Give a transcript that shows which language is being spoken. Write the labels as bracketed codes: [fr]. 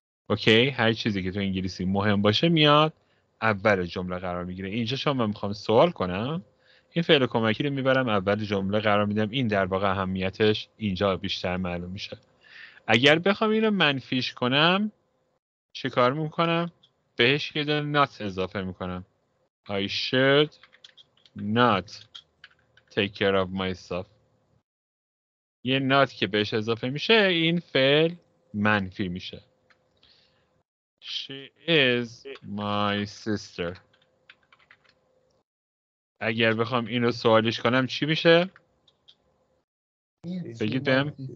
[fa] اوکی؟ هر چیزی که توی انگلیسی مهم باشه میاد اول جمله قرار میگیره. اینجا شما میخوام سوال کنم، این فعل کمکی رو میبرم اول جمله قرار میدم. این در واقع اهمیتش اینجا بیشتر معلوم میشه. اگر بخوام اینو منفیش کنم چیکار میکنم؟ بهش یه دونه not اضافه میکنم. [en] I should not take care of myself. [fa] یه not که بهش اضافه میشه این فعل منفی میشه. [en] She is my sister. [fa] اگر بخوام اینو سوالش کنم چی میشه؟ بگیدم.